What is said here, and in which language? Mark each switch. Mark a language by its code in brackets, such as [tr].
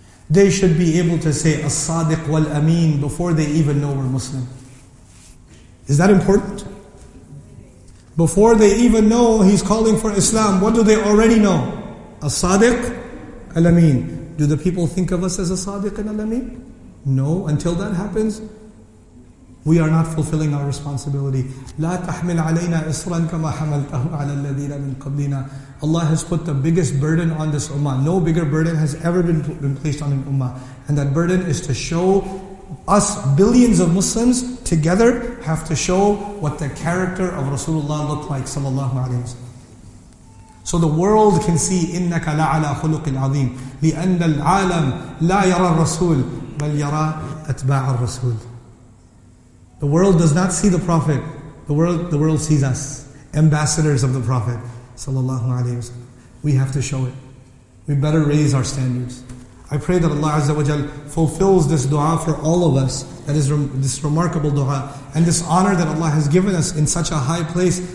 [en] They should be able to say As-Sadiq wal-Ameen before they even know we're Muslim. Is that important? Before they even know he's calling for Islam, what do they already know? As-Sadiq al-Ameen. Do the people think of us as a Sadiq and a Lameen? No, until that happens, we are not fulfilling our responsibility. [ar] لا تحمل علينا إصرا كما حملته على الذين من قبلنا. [en] Allah has put the biggest burden on this ummah. No bigger burden has ever been placed on an ummah. And that burden is to show us, billions of Muslims together, have to show what the character of Rasulullah looked like, sallallahu alayhi wa sallam. So the world can see [ar] إِنَّكَ لَعَلَىٰ خُلُقٍ عَظِيمٍ لِأَنَّ الْعَالَمْ لَا يَرَى الرَّسُولِ بَلْ يَرَى أَتْبَاعَ الرَّسُولِ. [en] The world does not see the Prophet. The world sees us, ambassadors of the Prophet sallallahu alayhi wa sallam. We have to show it. We better raise our standards. I pray that Allah Azza wa Jal fulfills this dua for all of us. That is this remarkable dua. And this honor that Allah has given us in such a high place.